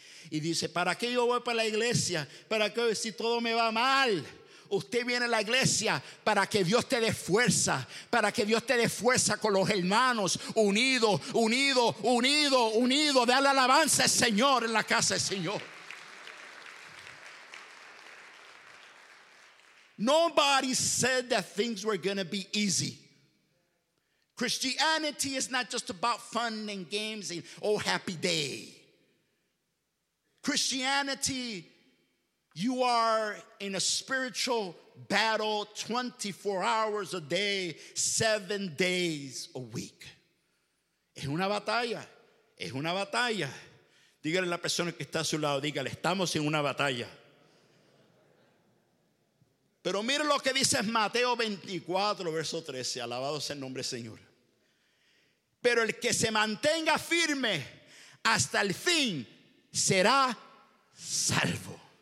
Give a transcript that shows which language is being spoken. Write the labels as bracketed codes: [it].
[es] Y dice: ¿para qué yo voy para la iglesia? ¿Para qué si todo me va mal? Usted viene a la iglesia para que Dios te dé fuerza, para que Dios te dé fuerza con los hermanos, unido, unido, unido, unido. Dale alabanza al Señor en la casa del Señor. [en] Nobody said that things were going to be easy. Christianity is not just about fun and games and oh, happy day. Christianity, you are in a spiritual battle 24 hours a day, 7 days a week. [es] Es una batalla, es una batalla. Dígale a la persona que está a su lado, dígale: estamos en una batalla. Pero mire lo que dice Mateo 24, verso 13. Alabado sea el nombre del Señor. Pero el que se mantenga firme hasta el fin será salvo.